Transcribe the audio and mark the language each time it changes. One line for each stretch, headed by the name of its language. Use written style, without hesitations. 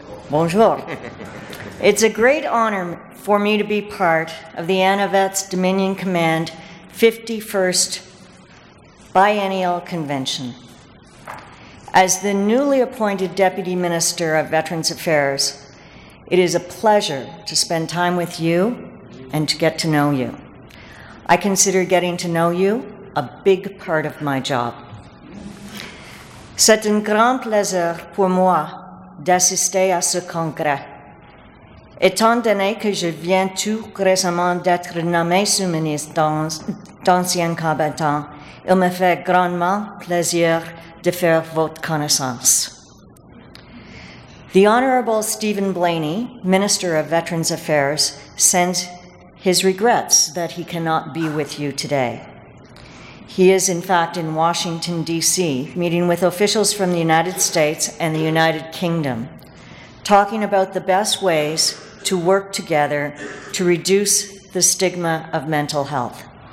French: Bonjour.
English: It's a great honor for me to be part of the Anavets Dominion Command 51st Biennial Convention. As the newly appointed Deputy Minister of Veterans Affairs, it is a pleasure to spend time with you and to get to know you. I consider getting to know you a big part of my job.
French: C'est un grand plaisir pour moi d'assister à ce congrès. Étant donné que je viens tout récemment d'être nommé sous-ministre d'anciens combattants, il me fait grandement plaisir de faire votre connaissance.
English: The Honorable Stephen Blaney, Minister of Veterans Affairs, sends his regrets that he cannot be with you today. He is, in fact, in Washington, D.C., meeting with officials from the United States and the United Kingdom, talking about the best ways to work together to reduce the stigma of mental health.